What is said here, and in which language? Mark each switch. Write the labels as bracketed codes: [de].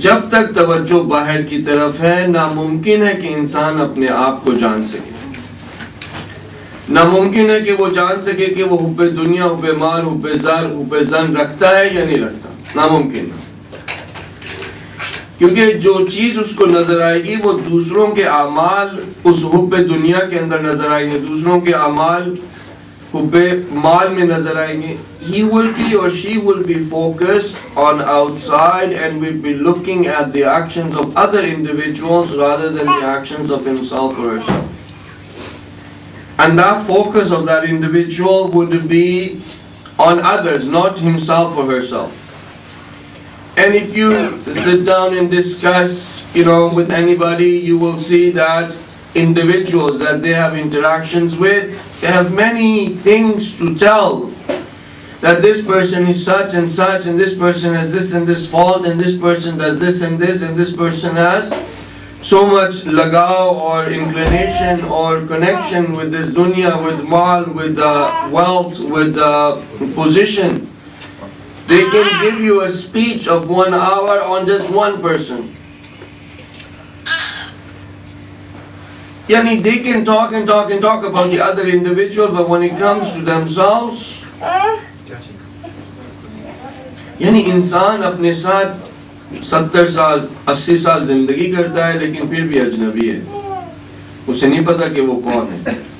[hi] जब तक तवज्जो बाहर की तरफ है नामुमकिन है कि इंसान अपने आप को जान सके, नामुमकिन है कि वो जान सके कि वो हुब्बे दुनिया हुब्बे माल हुब्बे ज़र हुब्बे ज़न रखता है या नहीं रखता, नामुमकिन है। क्योंकि जो चीज उसको नजर आएगी वो दूसरों के आमाल उस हुब्बे दुनिया के अंदर नजर आएंगे, दूसरों के आमाल हुब्बे माल में नजर आएंगे। [en] He will be or she will be focused on outside and will be looking at the actions of other individuals rather than the actions of himself or herself. And that focus of that individual would be on others, not himself or herself. And if you sit down and discuss, you know, with anybody, you will see that individuals that they have interactions with, they have many things to tell. That this person is such and such, and this person has this and this fault, and this person does this and this, and this person has so much lagao or inclination or connection with this dunya, with maal, with the wealth, with the position. They can give you a speech of 1 hour on just one person. Yani they can talk and talk and talk about the other individual, but when it comes to themselves, [hi] यानी इंसान अपने साथ 70 साल 80 साल जिंदगी करता है लेकिन फिर भी अजनबी है, उसे नहीं पता कि वो कौन है।